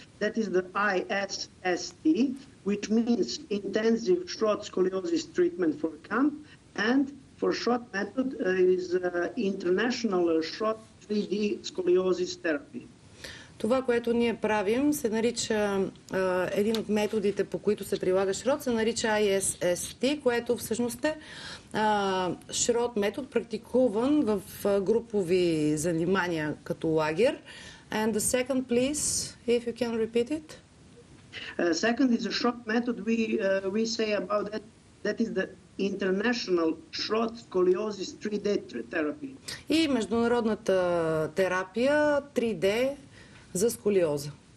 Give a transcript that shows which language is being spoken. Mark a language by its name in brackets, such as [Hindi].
[English] That is the ISST, which means intensive Shrot scoliosis treatment for camp, and for Shrot method is international Shrot 3D scoliosis therapy. [Bulgarian] Това, което ние правим, се нарича един от методите, по които се прилага Шрот, се нарича ISST, което всъщност е Шрот метод, практикуван в групови занимания като лагер. [English] And the second, please, if you can repeat it. Second is a [Bulgarian] Шрот метод. [English] We say about that. That is the International Shrot Scoliosis 3D Therapy. [Bulgarian] И международната терапия 3D за сколиоза.